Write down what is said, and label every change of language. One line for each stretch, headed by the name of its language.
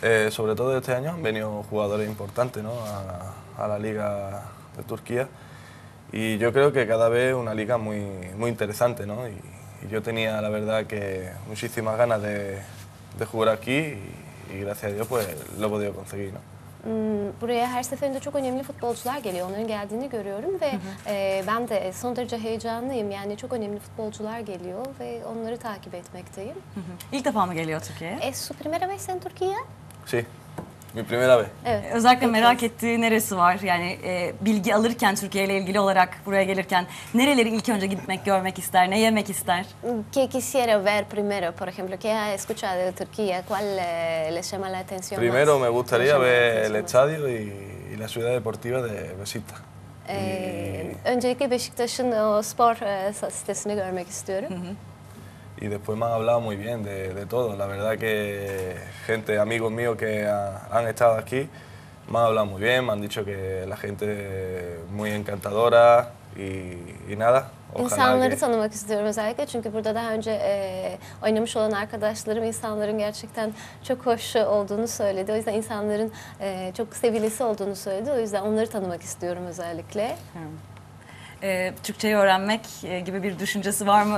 Spanish: Sobre todo este año han venido jugadores importantes, ¿no?, a la Liga de Turquía. Y yo creo que cada vez una liga muy, muy interesante, ¿no? Y yo tenía, la verdad, que muchísimas ganas de jugar aquí y gracias a Dios pues lo he podido conseguir, ¿no?
Turkish: Buraya her seferinde çok önemli futbolcular geliyor. Onların geldiğini görüyorum ve ben de son derece heyecanlıyım. Yani çok önemli futbolcular geliyor ve onları takip etmekteyim. İlk defa mı geliyor Türkiye'ye?
Spanish: Es su primera vez en Turquía? Sí, mi primera vez.
Turkish: Evet. Özellikle merak ettiği neresi var? Yani bilgi alırken Türkiye ile ilgili olarak buraya gelirken nereleri ilk önce gitmek, görmek ister, ne yemek ister?
Spanish: ¿Qué quisiera ver primero, por ejemplo? ¿Qué ha escuchado de Turquía? ¿Cuál le llama la atención? Primero me gustaría ver el estadio y la ciudad deportiva de Beşiktaş.
Turkish: Öncelikle Beşiktaş'ın o spor sitesini görmek istiyorum.
Spanish: Y después me han hablado muy bien de todo. La verdad que gente, amigos míos que han estado aquí, me han hablado muy bien, me han dicho que la gente muy encantadora y nada.
Turkish: İnsanları tanımak istiyorum özellikle çünkü burada daha önce oynamış olan arkadaşlarım insanların gerçekten çok hoş olduğunu söyledi. O yüzden insanların çok sevilisi olduğunu söyledi. O yüzden onları tanımak istiyorum özellikle. Türkçeyi öğrenmek gibi bir düşüncesi var mı?